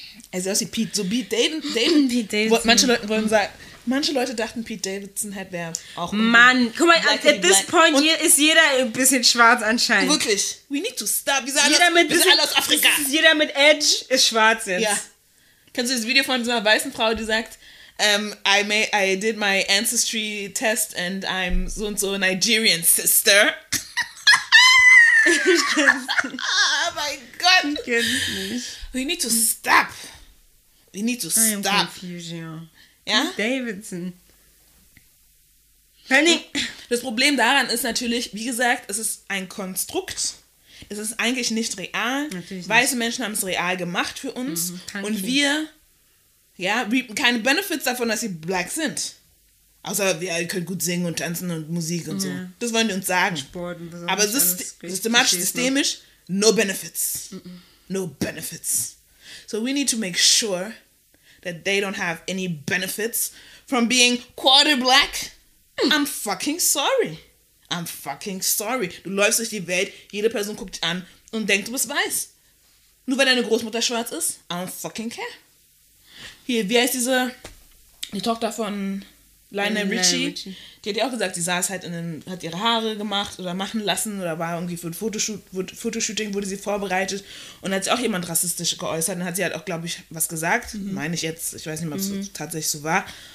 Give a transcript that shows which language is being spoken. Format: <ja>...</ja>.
<de>Er sieht aus wie Pete. So Pete Davidson. Manche Leute dachten, Pete Davidson wäre auch. Mann, guck mal,</de> <en>at this point</en> <de>hier ist jeder ein bisschen schwarz anscheinend.</de> <en>Wirklich. We need to stop.</en> <de>Wir sind alle aus Afrika. Jeder mit Edge ist schwarz jetzt. Ja. Kennst du das Video von so einer weißen Frau, die sagt,</de> <en>I did my ancestry test and I'm so und so Nigerian sister. Oh my God.</en> <de>Ich kenn's nicht.</de> <en>We need to stop. We need to stop. I am confused, ja.</en> <de>Ja? Davidson. Penny. Das Problem daran ist natürlich, wie gesagt, es ist ein Konstrukt. Es ist eigentlich nicht real. Natürlich weiße nicht. Menschen haben es real gemacht für uns. Mhm, und wir ja, reapen keine Benefits davon, dass sie black sind. Außer wir können gut singen und tanzen und Musik und ja. So. Das wollen die uns sagen. Sport und so. Aber systematisch, systemisch,</de> <en>no benefits. Mhm. No benefits. So we need to make sure that they don't have any benefits from being quarter black. I'm fucking sorry. I'm fucking sorry.</en> <de>Du läufst durch die Welt, jede Person guckt dich an und denkt, du bist weiß. Nur weil deine Großmutter schwarz ist,</de> <en>I don't fucking care.</en> <de>Hier, wie heißt diese, die Tochter von Lionel Richie? Die hat ja auch gesagt, sie saß halt in den, hat ihre Haare gemacht oder machen lassen oder war irgendwie für ein Fotoshooting, wurde sie vorbereitet und hat sich auch jemand rassistisch geäußert und hat sie halt auch, glaube ich, was gesagt, meine ich jetzt, ich weiß nicht mehr, ob es tatsächlich so war.</de>